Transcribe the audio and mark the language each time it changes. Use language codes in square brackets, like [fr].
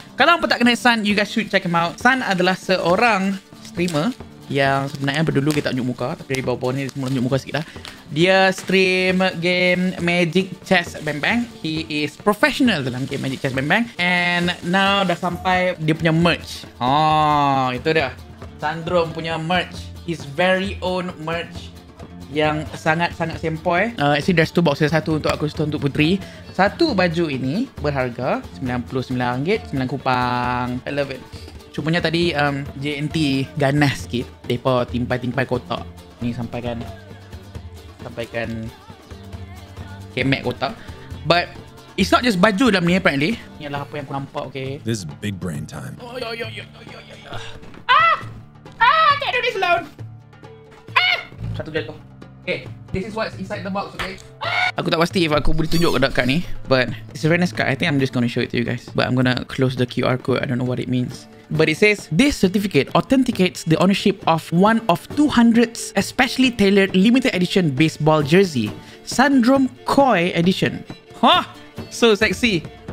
[ms] Kalau apa tak kenal [en] Sun, you guys should check him out. [ms] Sun adalah seorang streamer yang sebenarnya berdulu kita tunjuk muka. Tapi dari bawah-bawah ni semula tunjuk muka sikit lah. Dia stream game Magic Chess Bang Bang. [en] He is professional dalam game Magic Chess Bang Bang. And now [ms] dah sampai dia punya [en] merch. [ms] Oh, itu dia. Sundrome punya merch. [en] His very own merch. [ms] Yang sangat-sangat sempoi. [en] Actually, there's two boxes. [ms] Satu untuk aku, satu untuk Putri. Satu baju ini berharga RM99. 9 kupang. [en] I love it. [ms] Cumanya tadi JNT ganas sikit. Mereka timpai-timpai kotak. Ni sampaikan. Sampaikan. Kemek kotak. [en] But it's not just [ms] baju dalam ni [en] apparently. [ms] Ni adalah apa yang aku nampak, okay. [en] This is big brain time. Oh, yo, yo, yo, yo, yo, yo. Ah! Ah, I can't do this alone. [ms] Satu jatuh. [en] Okay, this is what's inside the box, okay? [ms] Aku tak pasti if aku boleh tunjuk ke dekat ni. [en] But it's a very nice card. I think I'm just gonna show it to you guys. But I'm gonna close the QR code. I don't know what it means. But it says, this certificate authenticates the ownership of one of 200 especially tailored limited edition baseball jersey. Sundrome Koi Edition. Huh? So sexy.